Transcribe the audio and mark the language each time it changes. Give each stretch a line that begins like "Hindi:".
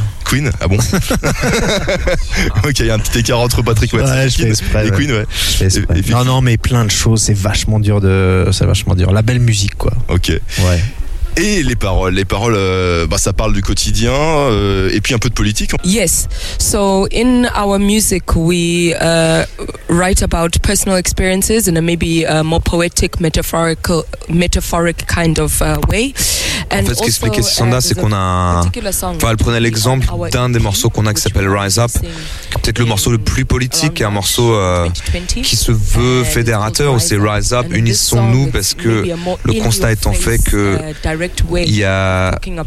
French: Queen, ah bon. Ok, il y a un petit écart entre Patrick Watson ouais, et exprès, Queen, ouais. Non, mais plein de choses, c'est vachement dur. La belle musique, quoi. Ok. Ouais. Et les paroles, ça parle du quotidien et puis un peu de politique.
English: Yes, so in our music we write about personal experiences in a maybe a more poetic, metaphoric kind of way.
French: En fait, ce qu'expliquait Sanda, c'est qu'on a. Enfin, elle prenait l'exemple d'un des morceaux qu'on a qui s'appelle Rise Up, qui est peut-être le morceau le plus politique, et un morceau qui se veut fédérateur, où c'est Rise Up, unissons-nous, parce que le constat étant fait que il y a.